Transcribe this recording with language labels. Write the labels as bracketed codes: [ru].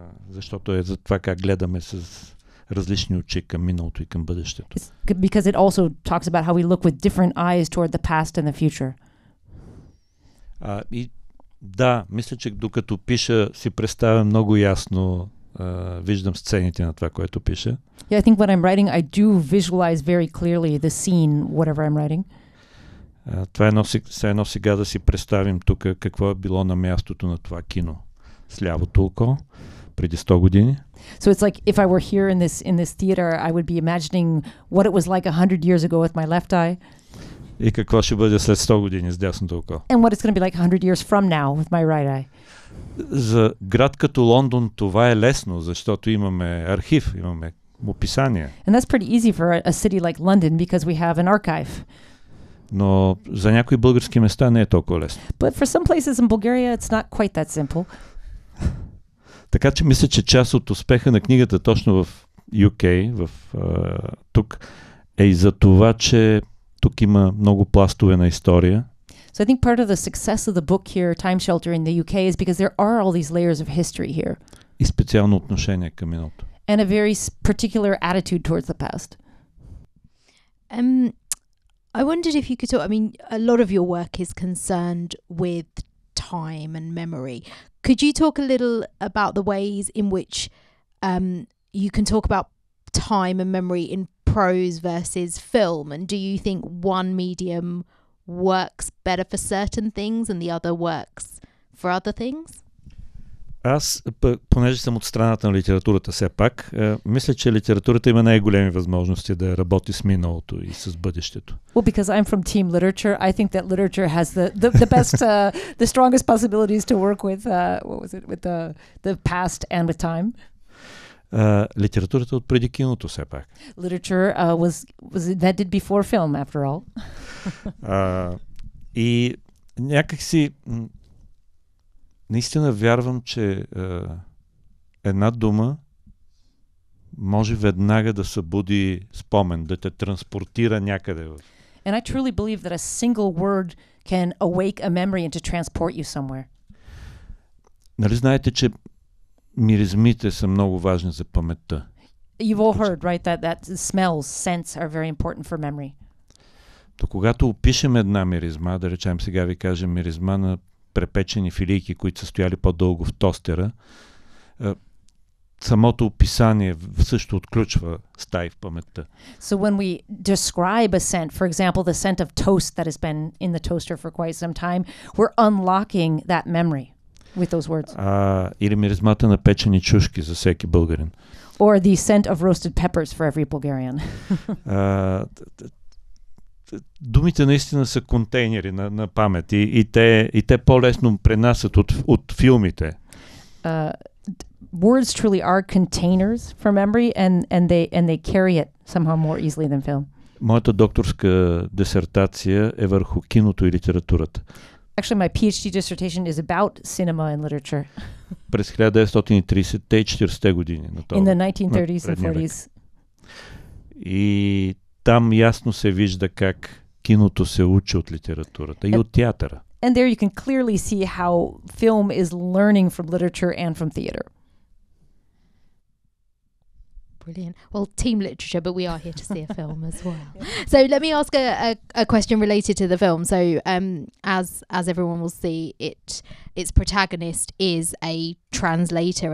[bg] Защото е за това как гледаме с различни очи към миналото и към бъдещето. [en] Because it also talks about how we look with different eyes toward the past and the future. [bg] И да, мисля, че докато пиша, си представя много ясно, виждам сцените на това, което пиша. [en] Yeah, I think when I'm writing, I do visualize very clearly the scene, whatever I'm writing. [bg] Това е едно сега да си представим тук какво е било на мястото на това кино с лявото око преди 100 години. [en] So it's like if I were here in this theater, I would be imagining what it was like 100 years ago with my left eye. [bg] И какво ще бъде след 100 години с дясното око. [en] And what it's going to be like 100 years from now with my right eye. [bg] За град като Лондон това е лесно, защото имаме архив, имаме описание. [en] And that's pretty easy for a city like London because we have an archive. [bg] Но за някои български места не е толкова лесно. [en] But for some places in Bulgaria it's not quite that simple. [bg] Така че мисля, че част от успеха на книгата точно в UK, тук, е и за това, че тук има много пластове на история. [en] So I think part of the success of the book here, Time Shelter in the UK, is because there are all these layers of history here. [bg] И специално отношение към миналото. [en] And a very particular attitude towards the past. I wondered if you could talk, I mean, a lot of your work is concerned with time and memory. Could you talk a little about the ways in which you can talk about time and memory in prose versus film? And do you think one medium works better for certain things and the other works for other things? [bg] Аз, понеже съм от страната на литературата все пак, мисля, че литературата има най-големи възможности да работи с миналото и с бъдещето. [en] Well, because I'm from team literature, I think that literature has the best, the strongest possibilities to work with, what was it, with the past and with time. [bg] Литературата от преди киното все пак. [en] Literature was invented before film, after all. [bg] И някакси... Наистина вярвам, че една дума може веднага да събуди спомен, да те транспортира някъде. [en] And I truly believe that a single word can awake a memory and to transport you somewhere. [bg] Нали знаете, че миризмите са много важни за паметта? [en] You've all heard, right, that smells, scents are very important for memory. [bg] То когато опишем една миризма, да речем сега ви кажем миризма на препечени филийки, които са стояли по-дълго в тостера, самото описание също отключва стаи в паметта. [en] So when we describe a scent, for example, the scent of toast that has been in the toaster for quite some time, we're unlocking that memory with those words. [bg] Или миризмата на печени чушки за всеки българин. [en] Or the scent of roasted peppers for every Bulgarian. [bg] Думите наистина са контейнери на памет и те по-лесно пренасят от филмите. [en] Words truly are containers for memory and they carry it somehow more easily than film. [bg] Моята докторска дисертация е върху киното и литературата. [en] Actually, my PhD dissertation is about cinema and literature. [bg] През 1930-те и 40-те години. [en] In the 1930s and 40s. [bg] И там ясно се вижда как киното се учи от литературата и от театъра. [en] And there you can clearly see how film is learning from literature and from theater. Brilliant. Well, team literature, but we are here to see a film as well. So let me ask a question related to the film. So as everyone will see, its protagonist is a translator.